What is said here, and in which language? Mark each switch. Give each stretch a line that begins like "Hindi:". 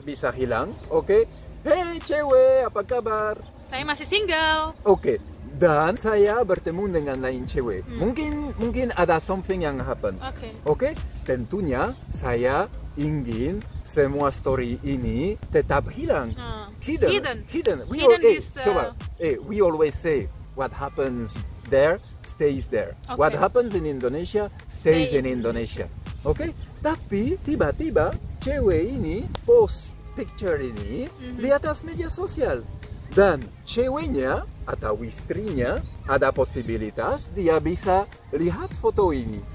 Indonesian: Bisa hilang, oke? Okay? Hei cewek, apa kabar? Saya masih single. Oke, dan saya bertemu dengan lain cewek. Mungkin ada something yang happen. Oke. Tentunya saya ingin semua story ini tetap hilang.
English: Hidden. We always say what happens there stays there. Okay. What happens in Indonesia stays in Indonesia.
Indonesian: Oke, tapi tiba-tiba cewek ini
English: post picture
Indonesian: ini di atas media sosial dan ceweknya atau istrinya ada posibilitas dia bisa lihat foto ini.